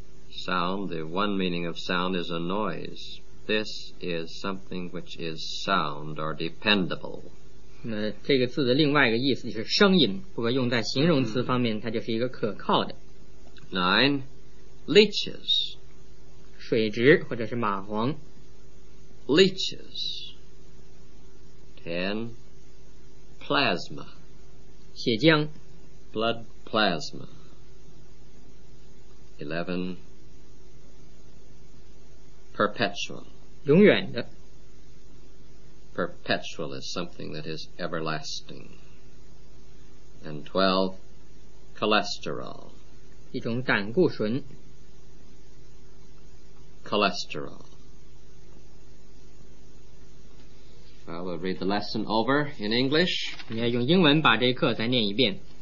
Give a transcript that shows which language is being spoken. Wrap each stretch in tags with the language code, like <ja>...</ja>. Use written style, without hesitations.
<en>Sound, the one meaning of sound is a noise. This is something which is sound or dependable.</en> <zh>那这个字的另外一个意思就是声音，不过用在形容词方面，它就是一个可靠的。</zh> <en>9. Leeches.</en> <zh>水蛭或者是蚂蟥</zh> <en>Leeches. 10. Plasma.</en> <zh>血浆</zh> <en>Blood plasma. 11. Perpetual.</en> <zh>永远的</zh> <en>Perpetual is something that is everlasting. And 12. Cholesterol.</en> <zh>一种胆固醇</zh> <en>Cholesterol. Well, we'll read the lesson over in English.</en> <zh>你要用英文把这课再念一遍</zh>